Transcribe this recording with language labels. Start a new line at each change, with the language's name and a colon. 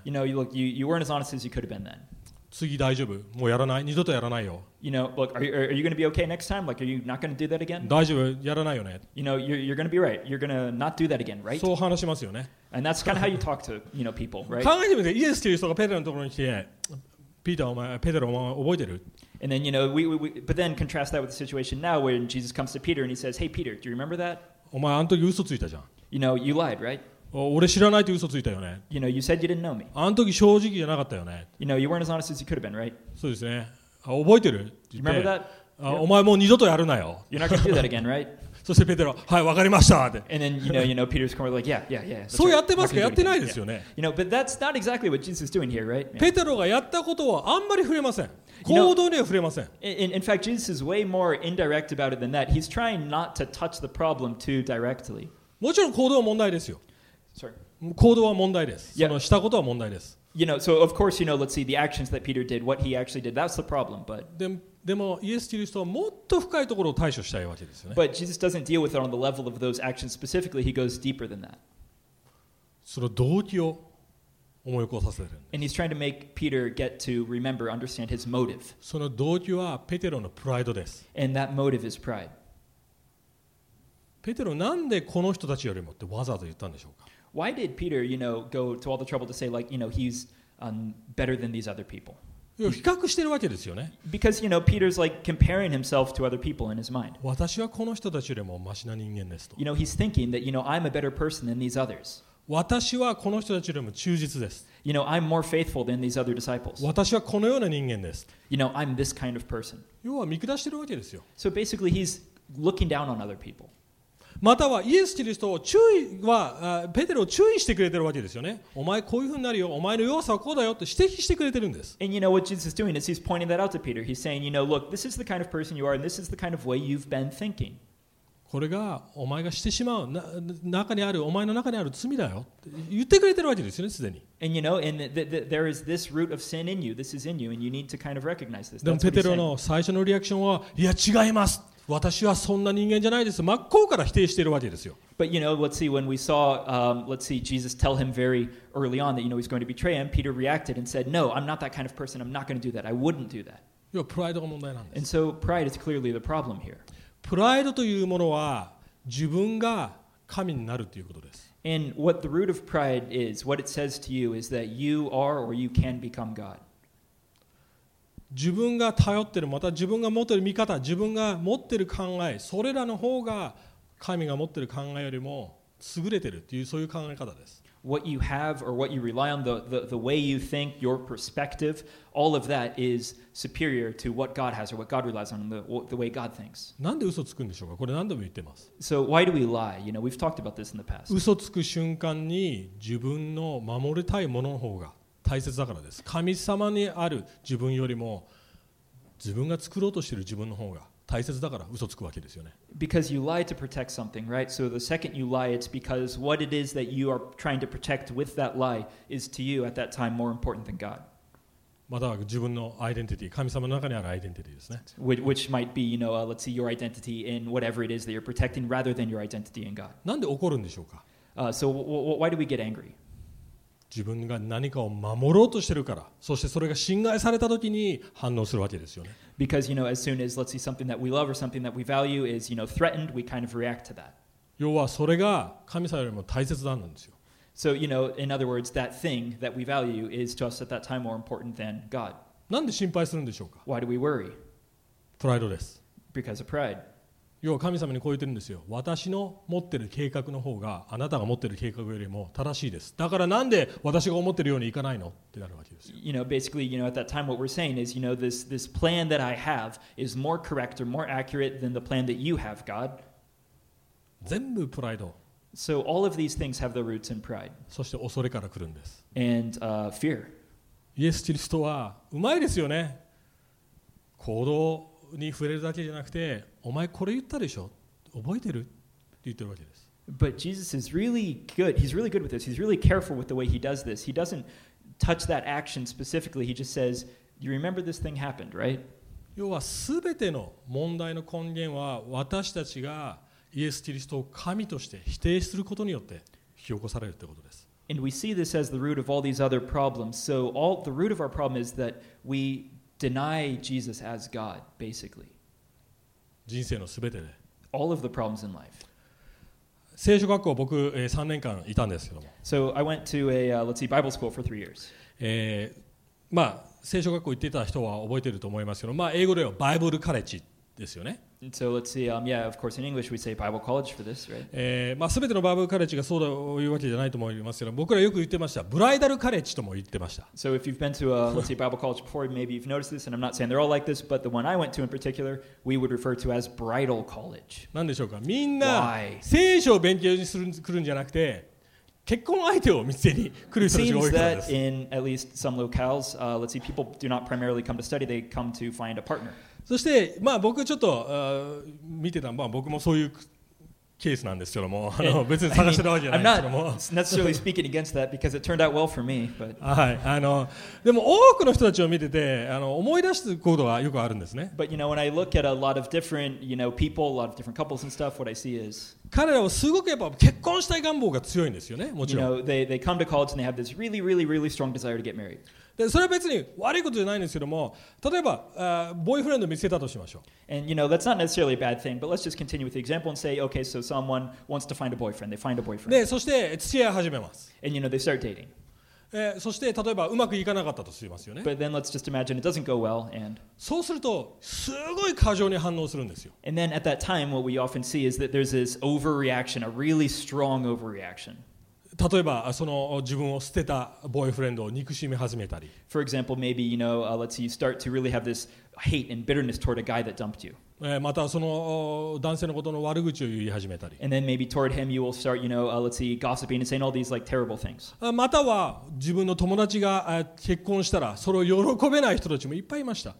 English: You know, look, you weren't as honest as you could have been then.
Japanese: 次大丈夫？もうやらない？二度とやらないよ。
English: You know, look, are you going to be okay next time? Like, are you not going to do that again?
Japanese: 大丈夫？やらないよね。
English: You know, you're going to be right. You're going to not do that again, right?
Japanese: そう話しますよね。
English: And that's kind of how you talk to, you know, people, right?
Japanese: 考えてみて、イエスという人がペテロのところに来て、ピーター、お前、ペテロ、お前、覚えてる？
English: And then, you know, we, but then contrast that with the situation now when Jesus comes to Peter and he says, hey, Peter, do you remember that?
Japanese: お前、あの時嘘ついたじゃん。
English: You know, you lied, right?
Japanese: 俺知らないって嘘ついたよね。
English: You know, you said you didn't know me.
Japanese: あの時正直じゃなかったよね。
English: You know, you weren't as honest as you could have been, right?
Japanese: そうですね。覚えてる？
English: You remember that? Yep.
Japanese: お前もう二度とやるなよ。
English: You're not going to do that again, right?
Japanese: そしてペテロ、はい、わかりましたって。
English: And then, you know, Peter's kind of like, yeah, yeah, yeah.
Japanese: そうやってますか？やってないですよね。
English: You know, but that's not exactly what Jesus is doing here, right?
Japanese: ペテロがやったことはあんまり触れません。行動には触れません。
English: In fact, Jesus is way more indirect about it than that. He's trying not to touch the problem too directly.
Japanese: もちろん行動は問題ですよ。
English: Sorry.
Japanese: 行動は問題です。
English: Yeah.
Japanese: そのしたことは問題です。
English: You know, so of course, you know, let's see the actions that Peter did, what he actually did. That's the problem, but...
Japanese: でもイエス・キリストはもっと深いところを対処したいわけですよね。
English: But Jesus doesn't deal with it on the level of those actions specifically. He goes deeper than that.
Japanese: その動機を思い起こさせる。
English: And he's trying to make Peter get to remember, understand his motive.
Japanese: その動機はペテロのプライドです。
English: And that motive is pride.
Japanese: ペテロなんでこの人たちよりもってわざわざ言ったんでしょうか。
English: Why did Peter, you know, go to all the trouble to say, like, you know, he's better than these other people?
Japanese: 比較してるわけですよね。
English: Because, you know, Peter's like comparing himself to other people in his mind.
Japanese: 私はこの人たちよりもマシな人間ですと。
English: You know, he's thinking that, you know, I'm a better person than these others.
Japanese: 私はこの人たちよりも忠実です。
English: You know, I'm more faithful than these other disciples.
Japanese: 私はこのような人間です。
English: You know, I'm this kind of person.
Japanese: 要は見下してるわけですよ。
English: So basically, he's looking down on other people.
Japanese: またはイエス・キリストを注意はペテロを注意してくれてるわけですよね。お前こういうふうになるよ。お前の弱さはこうだよって指摘してくれてるんです。
English: And you know what Jesus is doing is he's pointing that out to Peter. He's saying, you know, look, this is the kind of person you are, and this is the kind of way you've been thinking.
Japanese: これがお前がしてしまう中にあるお前の中にある罪だよって言ってくれてるわけですよね、すでに。
English: And you know, and there is this root of sin in you. This is in you, and you need to kind of recognize this.
Japanese: でもペテロの最初のリアクションはいや違います。私はそんな人間じゃないです。真っ向から否定しているわけですよ。
English: But you know, let's see, when we saw, let's see, Jesus tell him very early on that, you know, he's going to betray him, Peter reacted and said, no, I'm not that kind of person, I'm not going to do that, I wouldn't do that.
Japanese: 要はプライドが問題なんです。
English: And so pride is clearly the problem here.
Japanese: プライドというものは自分が神になるということです。
English: And what the root of pride is, what it says to you is that you are or you can become God.
Japanese: 自分が頼ってる、また自分が持ってる見方、自分が持ってる考え、それらの方が神が持ってる考えよりも優れてるっていう、そういう考え方です。
English: What you have or what you rely on, the way you think, your perspective, all of that is superior to what God has or what God relies on, the way God thinks.
Japanese: なんで嘘つくんでしょうか。これ何度も言ってます。
English: So why do we lie? You know, we've talked about this in the past.
Japanese: 嘘つく瞬間に自分の守りたいものの方が大切だからです。神様にある自分よりも自分が作ろうとしている自分の方が大切だから嘘つくわけですよね。
English: Because you lie to protect something, right? So the second you lie, it's because what it is that you are trying to protect with that lie is to you at that time more important than God.
Japanese: または自分のアイデンティティ、神様の中にあるアイデンティティですね。
English: Which might be, you know, let's see, your identity in whatever it is that you're protecting rather than your identity in God.
Japanese: なんで怒るんでしょうか。
English: So why do we get angry?
Japanese: 自分が何かを守ろうとしてるから、そしてそれが侵害されたときに反応するわけですよね。
English: Because, you know, as soon as, let's see, something that we love or something that we value is, you know, threatened, we kind of react to that.
Japanese: 要はそれが神様よりも大切なんですよ。
English: So, you know, in other words, that thing that we value is to us at that time more important than God.
Japanese: なんで心配するんでしょうか?
English: Why do we worry?
Japanese: プライドです。
English: Because of pride.
Japanese: 要は神様にこう言ってるんですよ。私の持ってる計画の方があなたが持ってる計画よりも正しいです。だからなんで私が思ってるようにいかないのってなるわけですよ。
English: You know, basically, you know, at that time, what we're saying is, you know, this plan that I have is more correct or more accurate than the plan that you have, God.
Japanese: 全部プライド。
English: So all of these things have their roots in pride.
Japanese: そして恐れから来るんです。
English: And fear.
Japanese: イエス・キリストはうまいですよね。行動に触れるだけじゃなくて、お前これ言ったでしょ。覚えてる？って言ってるわけです。
English: But Jesus is really good. He's really good with this. He's really careful with the way he does this. He doesn't touch that action specifically. He just says, "You remember this thing happened, right?"
Japanese: 要はすべての問題の根源は私たちがイエス・キリストを神として否定することによって引き起こされるということです。
English: And we see this as the root of all these other problems. So all the root of our problem is that we deny Jesus as God, basically.
Japanese: 人生のすべてで。
English: All of the problems in life.
Japanese: 聖書学校僕3年間いたんですけども。
English: So I went to a, let's see, Bible school for 3 years.
Japanese: まあ聖書学校行ってた人は覚えてると思いますけど、まあ英語ではバイブルカレッジですよね。
English: And、so let's see, yeah, of course in English we say Bible college for this, right?
Japanese: まあすべてのバイブルカレッジがそうだというわけじゃないと思いますけど、僕らよく言ってました。ブライダルカレッジとも言ってました。
English: So if you've been to a, let's see, Bible college before, maybe you've noticed this, and I'm not saying they're all like this, but the one I went to in particular, we would refer to as bridal college.
Japanese: なんでしょうか。みんな聖書を勉強にする来るんじゃなくて、結婚相手を見せに来る人たちが多いからです。
English: It seems that in at least some locales, let's see, people do not primarily come to study, they come to find a partner.
Japanese: そして、まあ、僕ちょっと、見てた、まあ、僕もそういうケースなんですけども、あの別に探してるわけじゃないんですけども。
English: I'm not necessarily speaking against that because it turned out well for me. But
Japanese: はい、あのでも多くの人たちを見てて、あの思い出すことはよくあるんですね。
English: But you know, when I look at a lot of different, you know, people, a lot of different couples and stuff, what I see is
Japanese: 彼らはすごくやっぱ結婚したい願望が強いんですよね。もちろん。
English: You know, they come to college and they have this really, really, really strong desire to get married.
Japanese: でそれは別に悪いことじゃないんですけども、例えば、ボーイフレンドを見つけたとしましょう。
English: And you know, that's not necessarily a bad thing, but let's just continue with the example and say, okay, so someone wants to find a boyfriend. They find a boyfriend.
Japanese: で、そして付き合い始めます。
English: And you know, they start dating.
Japanese: そして例えばうまくいかなかったとしますよね。
English: But then let's just imagine it doesn't go well, and
Japanese: そうするとすごい過剰に反応するんですよ。
English: And then at that time, what we often see is that there's this overreaction, a really strong overreaction.
Japanese: 例えばその自分を捨てたボーイフレンドを憎しみ始めたり。
English: For example, maybe you know, let's see, you start to really have this hate and bitterness toward a guy that dumped you.
Japanese: またその男性のことの悪口を言い始めたり。
English: And then maybe toward him you will start, you know, let's see, gossiping and saying all these like terrible things.
Japanese: または自分の友達が結婚したらそれを喜べない人たちもいっぱいいました。